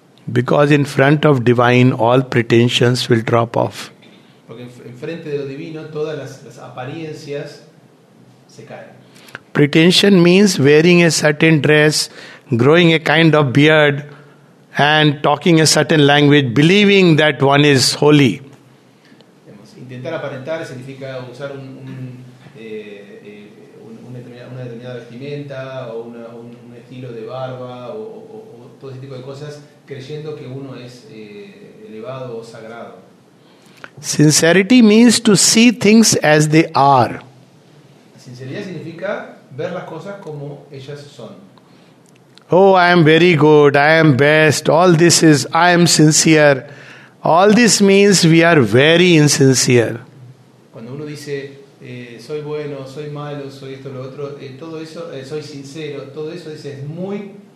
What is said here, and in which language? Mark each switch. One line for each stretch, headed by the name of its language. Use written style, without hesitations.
English: Because in front of divine, all pretensions will drop off.
Spanish: Porque en frente de lo divino, todas las apariencias se caen.
English: Pretension means wearing a certain dress, growing a kind of beard, and talking a certain language, believing that one is holy.
Spanish: Intentar aparentar significa usar una determinada vestimenta, o un estilo de barba, o todo ese tipo de cosas, creyendo que uno es elevado o sagrado.
English: Sincerity means to see things as they are.
Spanish: Sinceridad significa ver las cosas como ellas son.
English: Oh, I am very good, I am best, all this is, I am sincere. All this means we are very insincere.
Spanish: Cuando uno dice, soy bueno, soy malo, soy esto, lo otro, todo eso, soy sincero, todo eso dice, es muy...